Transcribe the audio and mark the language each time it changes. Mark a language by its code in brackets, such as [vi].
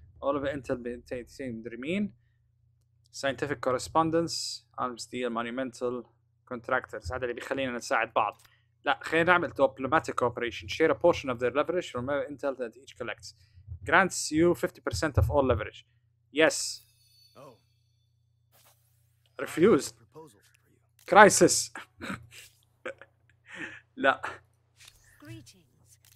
[en] All of the intel team remain. Scientific correspondence. Arms deal. Monumental contractors. [ar] هذا اللي بيخلينا نساعد بعض. لا خلينا نعمل diplomatic cooperation. [en] Share a portion of their leverage from every intel that each collects. Grants you 50% of all leverage. Yes. Oh. Refused. Crisis. No. Greetings.